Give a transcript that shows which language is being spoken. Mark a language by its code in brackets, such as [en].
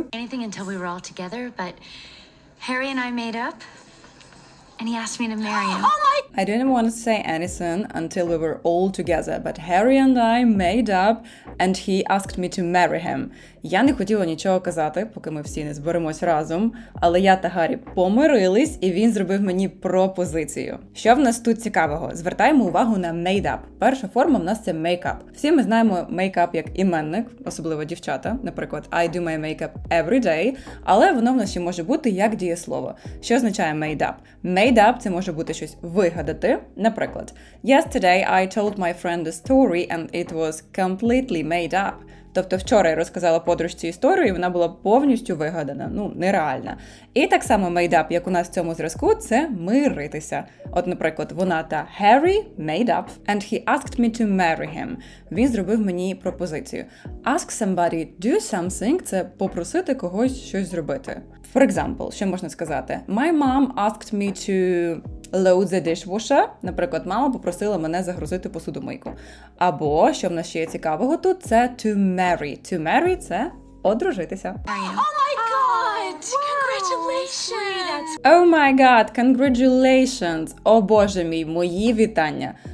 [en] Anything until we were all together, but Harry and I made up and he asked me to marry him. Oh my! I didn't want to say anything until we were all together, but Harry and I made up and he asked me to marry him. [uk] Я не хотіла нічого казати, поки ми всі не зберемось разом, але я та Гаррі помирились, і він зробив мені пропозицію. Що в нас тут цікавого? Звертаємо увагу на made up. Перша форма в нас це make up. Всі ми знаємо make up як іменник, особливо дівчата, наприклад, [en] I do my makeup every day, [uk] але воно в нас ще може бути як дієслово. Що означає made up? [en] Made up [uk] це може бути щось вигадати, наприклад, [en] yesterday I told my friend a story and it was completely made up. [uk] Тобто вчора я розказала подружці історію, і вона була повністю вигадана, ну, нереальна. І так само made up, як у нас в цьому зразку, це миритися. От, наприклад, вона та [en] Harry made up. And he asked me to marry him. [uk] Він зробив мені пропозицію. [en] Ask somebody do something [uk] – це попросити когось щось зробити. [en] For example, [uk] що можна сказати? [en] My mom asked me to load the dishwasher. [uk] Наприклад, мама попросила мене загрузити посудомийку. Або, що в нас ще є цікавого тут, це to marry. To marry – це одружитися. [en] Oh my God! Congratulations! Oh my God! Congratulations! [uk] О боже мій, мої вітання!